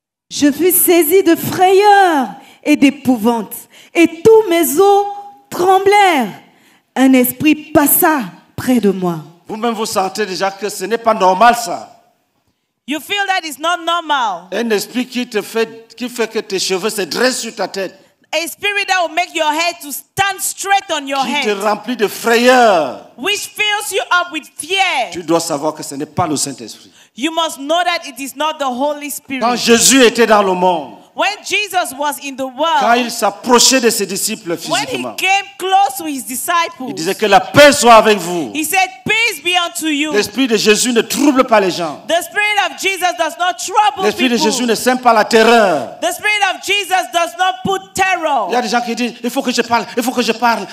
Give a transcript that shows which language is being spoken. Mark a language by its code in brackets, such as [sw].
[fr] Je fus saisi de frayeur et d'épouvante. Et tous mes os tremblèrent. Un esprit passa près de moi. Vous-même vous sentez déjà que ce n'est pas normal ça. [en] You feel that it's not normal. [fr] Un esprit qui fait que tes cheveux se dressent sur ta tête. [en] A spirit that will make your head to stand straight on your [fr] qui [en] head. [fr] Qui te remplit de frayeur. [en] Which fills you up with fear. [fr] Tu dois savoir que ce n'est pas le Saint-Esprit. [en] You must know that it is not the Holy Spirit. [fr] Quand Jésus était dans le monde. [en] When Jesus was in the world. [fr] Quand il s'approchait de ses disciples physiquement. [en] When he came close to his disciples. [fr] Il disait que la paix soit avec vous. [en] He said, peace be unto you. [fr] L'Esprit de Jésus ne trouble pas les gens. [en] The spirit of Jesus does not trouble people. [fr] L'Esprit de Jésus ne sème pas la terreur. [en] The spirit of Jesus does not put terror. [fr] Il y a des gens qui disent, il faut que je parle, il faut que je parle.